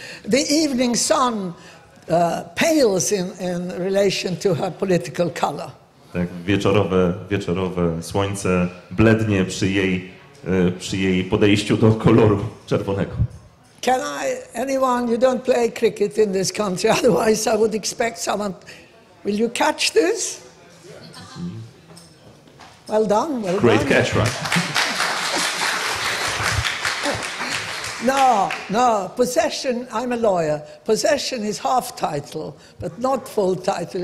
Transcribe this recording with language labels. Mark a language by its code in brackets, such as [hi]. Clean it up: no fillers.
[en] The evening sun pales in relation to her political color. [pl] Tak, wieczorowe słońce blednie przy jej podejściu do koloru czerwonego. [en] Can I, anyone, you don't play cricket in this country, otherwise I would expect someone, will you catch this? Well done, well Great done. Great catch, right? No, possession, I'm a lawyer. Possession is half title, but not full title.